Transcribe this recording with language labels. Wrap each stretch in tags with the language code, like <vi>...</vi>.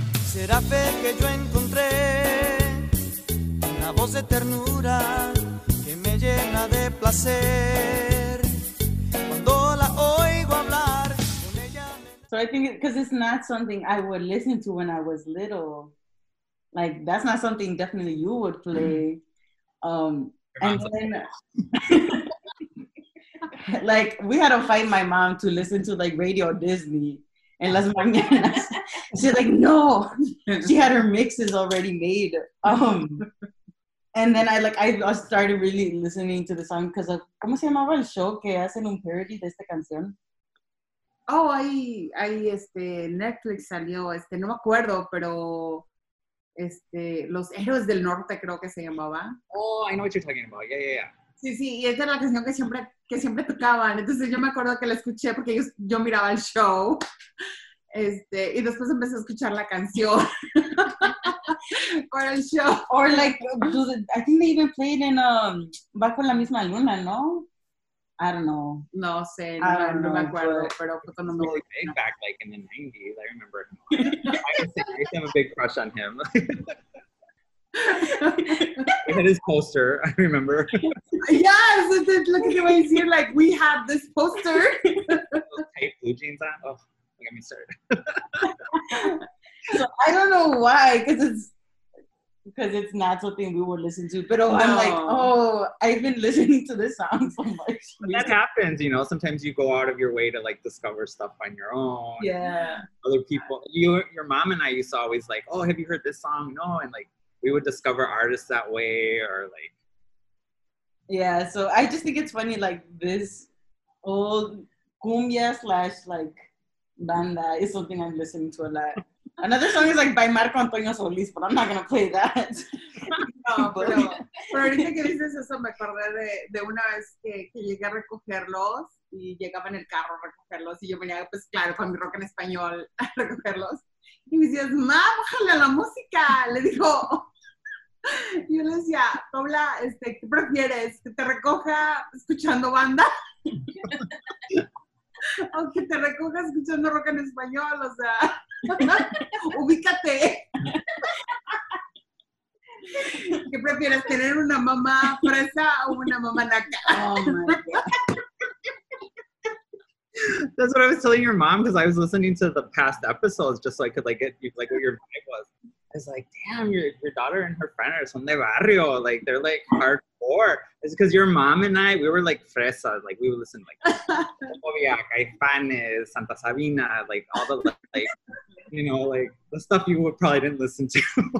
<es>Será fe que yo encontré una voz de ternura que me llena de placer cuando la oigo hablar con ella.</es> <en>So I think because it's not something I would listen to when I was little, like that's not something definitely you would play. And then like we had to fight my mom to listen to like Radio Disney and Las Mañanas. She's like, no, she had her mixes already made. And then I started really listening to the song because of,</en> <es>¿cómo se llamaba el show que hacen un parody de esta canción? Oh, ahí Netflix salió, no me acuerdo, pero Los Héroes del Norte creo que se llamaba.</es> <en>Oh, I know what you're talking about, yeah.</en> <es>Sí, y esta era la canción que siempre tocaban, entonces yo me acuerdo que la escuché porque yo miraba el show. Y después empecé a escuchar la canción para el show.</es> <en>Or like, I think they even played in Bajo la Misma Luna, ¿no? I don't know.</en> <es>No sé, no me acuerdo, pero fue cuando me</es> <en>really big back like in the 90s, I remember. I used to have a big crush on him. We had his poster, I remember. Yes, look at the way he's here, like, we have this poster. Tight blue jeans on? Oh, let me start. So I don't know why, because it's not something we would listen to. But I'm like, I've been listening to this song so much. That happens, you know. Sometimes you go out of your way to like discover stuff on your own. Yeah. Other people, your mom and I used to always like, oh, have you heard this song? No, and like we would discover artists that way, or like. Yeah. So I just think it's funny, like this old cumbia / like banda is something I'm listening to a lot. Another song is like by Marco Antonio Solís, but I'm not gonna play that.</en> <es>No, pero ahorita que dices eso me acordé de una vez que llegué a recogerlos y llegaba en el carro a recogerlos y yo venía pues claro con mi rock en español a recogerlos y me decías, ma, bájale a la música, le dijo. Y yo le decía, Paula, ¿qué prefieres? ¿Que te recoja escuchando banda? Aunque te recoja escuchando rock en español, o sea, ubícate. ¿Qué prefieres, tener una mamá fresa o una mamá naca?</es> <en>Oh, my God. That's what I was telling your mom, because I was listening to the past episodes just so I could like get you, like what your vibe was. I was like, damn, your daughter and her friend are</en> <es>son de barrio.</es> <en>Like, they're like hardcore. It's because your mom and I, we were like fresa. Like, we would listen to like Obia, Caifanes, Santa Sabina, like all the like, you know, like the stuff you would probably didn't listen to.</en>